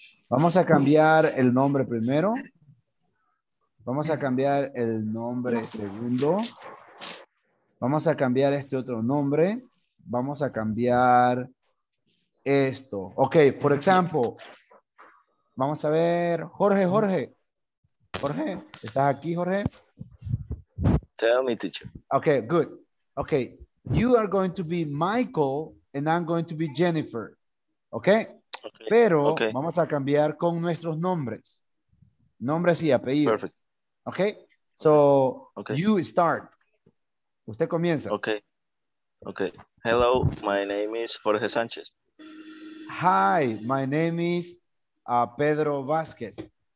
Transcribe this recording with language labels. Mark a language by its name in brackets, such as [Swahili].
[Spanish] Vamos a cambiar el nombre primero. Vamos a cambiar el nombre segundo. Vamos a cambiar este otro nombre. Vamos a cambiar esto. Ok, por ejemplo, vamos a ver, Jorge, ¿estás aquí, Jorge? [English] Tell me, teacher. Ok, good. Ok, you are going to be Michael and I'm going to be Jennifer. [Spanish] Ok, pero okay, vamos a cambiar con nuestros nombres. Nombres y apellidos. [English] Perfect. Okay, so okay. You start. [Spanish] Usted comienza. [English] Okay. Hello, my name is Jorge Sánchez. Hi, my name is Pedro Vázquez.